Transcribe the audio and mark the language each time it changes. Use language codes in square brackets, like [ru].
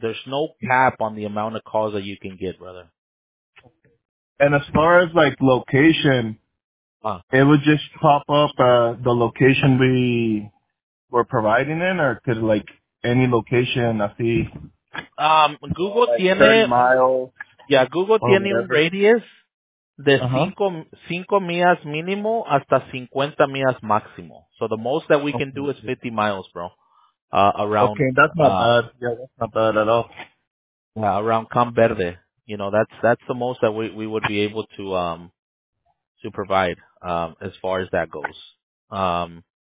[en] There's no cap on the amount of calls that you can get, brother. And as far as, like, location, it would just pop up the location we were providing in, or could, like, any location, [es] así? [en] Google like [es] tiene... [en] 30 miles. Yeah, Google [es] tiene [en] whatever. [es] Un radius de 5 millas mínimo hasta 50 millas máximo. [en] So the most that we can do is 50 miles, bro, around... Okay, that's not bad. Yeah, that's not bad at all. Yeah, around Camp Verde. You know, that's the most that we would be able to provide, as far as that goes.